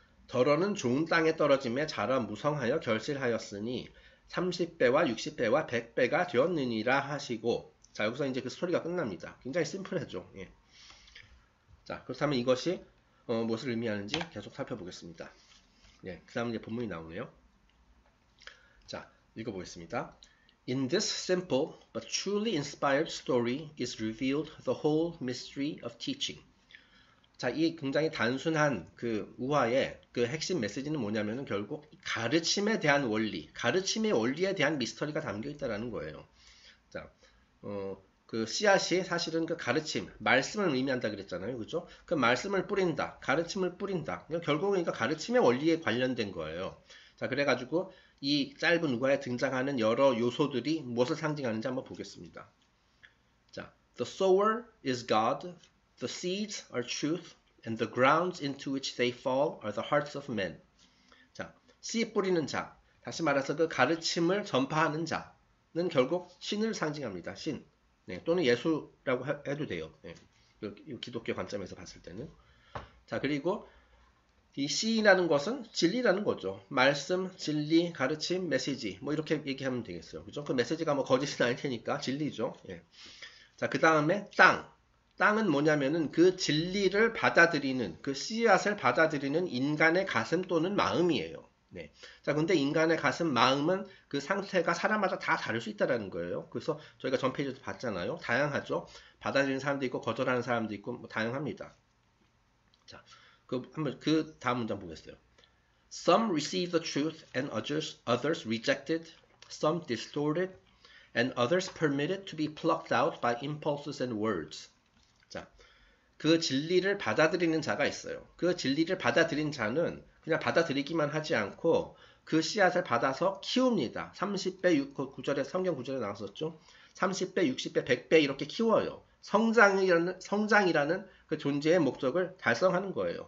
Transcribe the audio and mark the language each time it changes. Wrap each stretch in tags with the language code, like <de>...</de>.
<ko>더러는 좋은 땅에 떨어짐에 자라 무성하여 결실하였으니 30배와 60배와 100배가 되었느니라 하시고, 자, 여기서 이제 그 스토리가 끝납니다. 굉장히 심플해죠. 예. 자, 그렇다면 이것이 무엇을 의미하는지 계속 살펴보겠습니다. 네, 그 다음 이제 본문이 나오네요. 자, 읽어보겠습니다.</ko> <en>In this simple but truly inspired story is revealed the whole mystery of teaching.</en> <ko>자, 이 굉장히 단순한 그 우화의 그 핵심 메시지는 뭐냐면은 결국 가르침에 대한 원리, 가르침의 원리에 대한 미스터리가 담겨 있다라는 거예요. 자, 그 씨앗이 사실은 그 가르침, 말씀을 의미한다 그랬잖아요. 그죠? 그 말씀을 뿌린다, 가르침을 뿌린다. 결국은 그러니까 가르침의 원리에 관련된 거예요. 자, 그래가지고 이 짧은 우화에 등장하는 여러 요소들이 무엇을 상징하는지 한번 보겠습니다.</ko> <en>자, The sower is God, the seeds are truth, and the grounds into which they fall are the hearts of men.</en> <ko>자, 씨 뿌리는 자, 다시 말해서 그 가르침을 전파하는 자는 결국 신을 상징합니다. 신. 네, 또는 예수라고 해도 돼요. 네, 기독교 관점에서 봤을 때는. 자, 그리고 이 씨인이라는 것은 진리라는 거죠. 말씀, 진리, 가르침, 메시지. 뭐 이렇게 얘기하면 되겠어요. 그죠? 그 메시지가 뭐 거짓은 아닐 테니까 진리죠. 예. 자, 그 다음에 땅. 땅은 뭐냐면은 그 진리를 받아들이는, 그 씨앗을 받아들이는 인간의 가슴 또는 마음이에요. 네. 자, 근데 인간의 가슴, 마음은 그 상태가 사람마다 다 다를 수 있다라는 거예요. 그래서 저희가 전 페이지에서 봤잖아요. 다양하죠. 받아들이는 사람도 있고, 거절하는 사람도 있고, 뭐 다양합니다. 자, 한번 그 다음 문장 보겠어요.</ko> <en>Some receive the truth and others rejected, some distorted, and others permitted to be plucked out by impulses and words.</en> <ko>그 진리를 받아들이는 자가 있어요. 그 진리를 받아들인 자는 그냥 받아들이기만 하지 않고 그 씨앗을 받아서 키웁니다. 30배, 9절에, 성경 9절에 나왔었죠. 30배, 60배, 100배 이렇게 키워요. 성장이라는 그 존재의 목적을 달성하는 거예요.</ko>